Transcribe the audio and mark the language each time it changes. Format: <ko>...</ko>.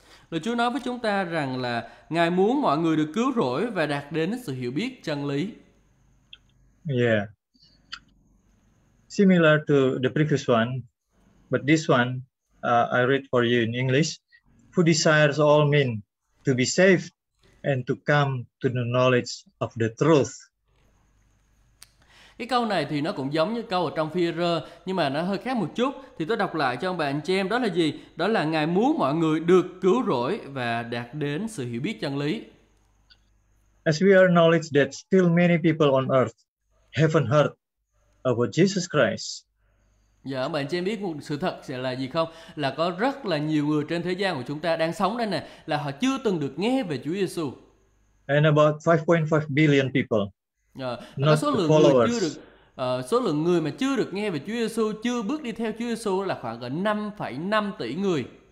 <vi>Lời Chúa nói với chúng ta rằng là Ngài muốn mọi người được cứu rỗi và đạt đến sự hiểu biết chân lý. Yeah.</vi> <en>Similar to the previous one, but this one I read for you in English. Who desires all men to be saved and to come to the knowledge of the truth?</en> <vi>Cái câu này thì nó cũng giống như câu ở trong Phi-e-rơ, nhưng mà nó hơi khác một chút. Thì tôi đọc lại cho ông bạn chị em đó là gì? Đó là Ngài muốn mọi người được cứu rỗi và đạt đến sự hiểu biết chân lý.</vi> <en>As we are knowledge that still many people on earth haven't heard about Jesus Christ.</en> <vi>Dạ, bạn cho em biết một sự thật sẽ là gì không? Là có rất là nhiều người trên thế gian của chúng ta đang sống đây này, là họ chưa từng được nghe về Chúa Giêsu.</vi> <en>And about 5.5 billion people.</en> <vi>Dạ, có số lượng followers. Người chưa được, số lượng người mà chưa được nghe về Chúa Giêsu, chưa bước đi theo Chúa Giêsu là khoảng gần 5,5 tỷ người.</vi>